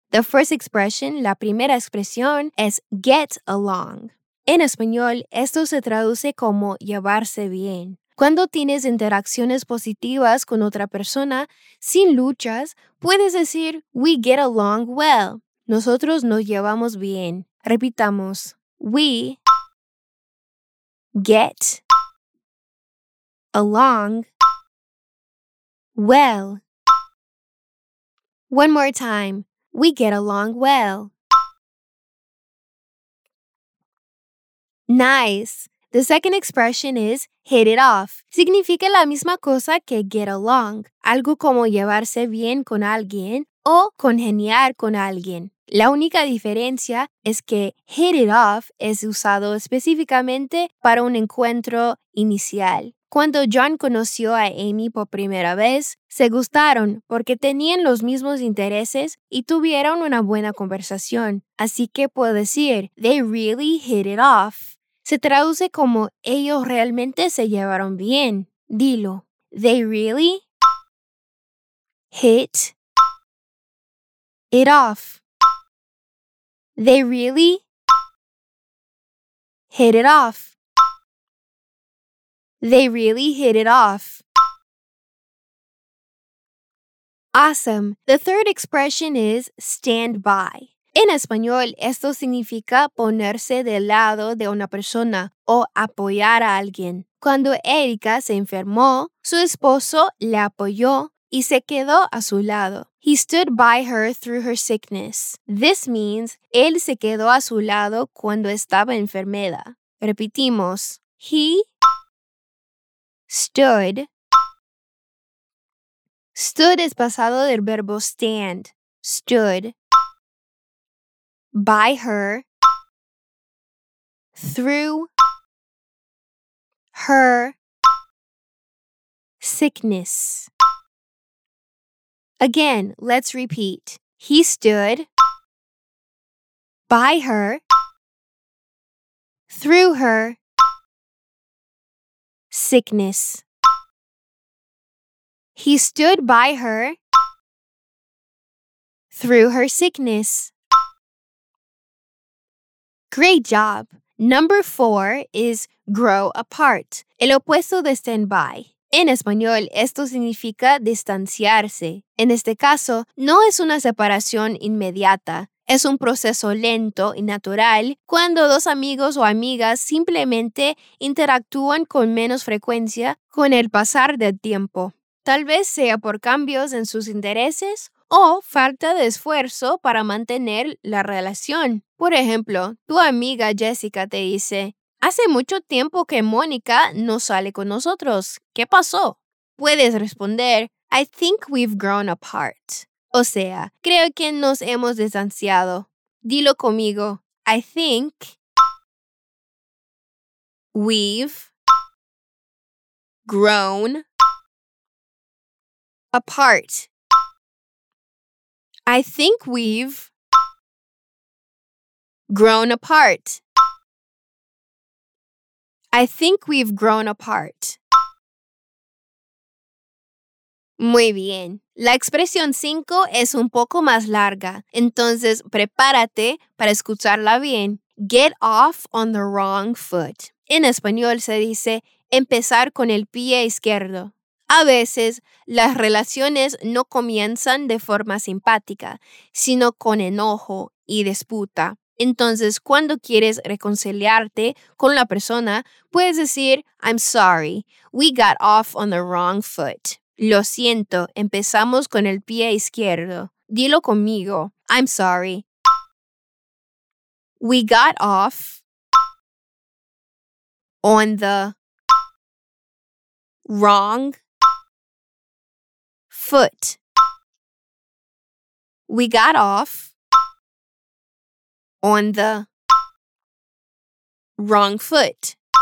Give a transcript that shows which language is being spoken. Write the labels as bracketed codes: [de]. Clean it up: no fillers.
[en] The first expression, [es] la primera expresión, es [en] get along. [es] En español, esto se traduce como llevarse bien. Cuando tienes interacciones positivas con otra persona, sin luchas, puedes decir, [en] we get along well. [es] Nosotros nos llevamos bien. Repitamos, [en] we get along well. One more time, we get along well. Nice. The second expression is hit it off. [es] Significa la misma cosa que get along, algo como llevarse bien con alguien o congeniar con alguien. La única diferencia es que hit it off es usado específicamente para un encuentro inicial. Cuando John conoció a Amy por primera vez, se gustaron porque tenían los mismos intereses y tuvieron una buena conversación. Así que puedo decir, [en] they really hit it off. [es] Se traduce como ellos realmente se llevaron bien. Dilo. [en] They really hit it off. They really hit it off. They really hit it off. Awesome. The third expression is stand by. [es] En español, esto significa ponerse del lado de una persona o apoyar a alguien. Cuando Erica se enfermó, su esposo le apoyó y se quedó a su lado. [en] He stood by her through her sickness. This means, [es] él se quedó a su lado cuando estaba enferma. Repetimos. [en] He stood. [es] Stood es pasado del verbo stand. Stood. [en] By her, through her sickness. Again, let's repeat. He stood by her, through her sickness. He stood by her, through her sickness. Great job! Number four is grow apart, [es] el opuesto de [en] stand by. [es] En español, esto significa distanciarse. En este caso, no es una separación inmediata. Es un proceso lento y natural cuando dos amigos o amigas simplemente interactúan con menos frecuencia con el pasar del tiempo. Tal vez sea por cambios en sus intereses o falta de esfuerzo para mantener la relación. Por ejemplo, tu amiga Jessica te dice, hace mucho tiempo que Mónica no sale con nosotros. ¿Qué pasó? Puedes responder, [en] I think we've grown apart. [es] O sea, creo que nos hemos distanciado. Dilo conmigo. [en] I think we've grown apart. I think we've grown apart. I think we've grown apart. [es] Muy bien. La expresión 5 es un poco más larga. Entonces, prepárate para escucharla bien. [en] Get off on the wrong foot. [es] En español se dice empezar con el pie izquierdo. A veces, las relaciones no comienzan de forma simpática, sino con enojo y disputa. Entonces, cuando quieres reconciliarte con la persona, puedes decir, [en] I'm sorry, we got off on the wrong foot. [es] Lo siento, empezamos con el pie izquierdo. Dilo conmigo, [en] I'm sorry. We got off on the wrong foot. We got off on the wrong foot.